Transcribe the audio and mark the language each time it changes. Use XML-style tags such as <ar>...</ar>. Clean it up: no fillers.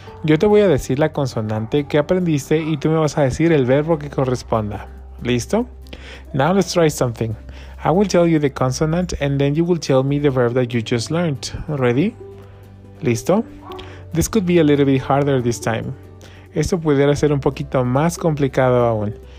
<es>Yo te voy a decir la consonante que aprendiste y tú me vas a decir el verbo que corresponda. ¿Listo?</es> <en>Now let's try something. I will tell you the consonant and then you will tell me the verb that you just learned. Ready?</en> <es>¿Listo?</es> <en>This could be a little bit harder this time.</en> <es>Esto pudiera ser un poquito más complicado aún.</es>